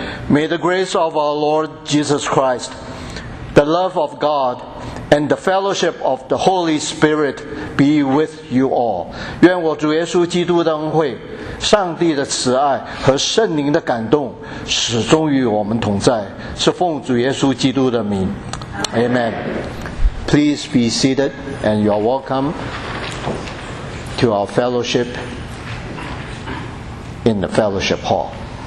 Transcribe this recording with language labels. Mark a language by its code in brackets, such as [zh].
[en] May the grace of our Lord Jesus Christ, the love of God, and the fellowship of the Holy Spirit be with you all. [zh] 愿我主耶稣基督的恩惠，上帝的慈爱和圣灵的感动始终与我们同在，是奉主耶稣基督的名。 [en] Amen. Please be seated and you are welcome to our fellowship in the fellowship hall.